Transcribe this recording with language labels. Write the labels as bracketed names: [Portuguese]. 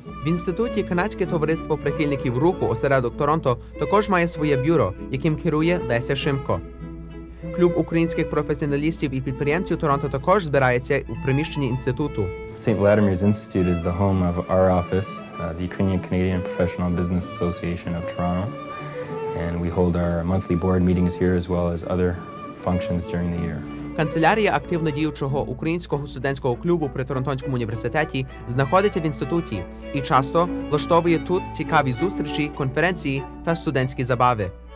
[Ukrainian] В інституті Канадське товариство прихильників руху «Осередок Торонто» також має своє бюро, яким керує Леся Шимко. Клуб українських професіоналістів і підприємців Торонто також збирається у приміщенні інституту. [English] St. Vladimir's Institute is the home of our office, the Ukrainian-Canadian Professional Business Association of Toronto. And we hold our monthly board meetings here as well as other functions during the year. [Ukrainian] Канцелярія активно діючого українського студентського клубу при Торонтонському університеті знаходиться в інституті і часто влаштовує тут цікаві зустрічі, конференції та студентські забави.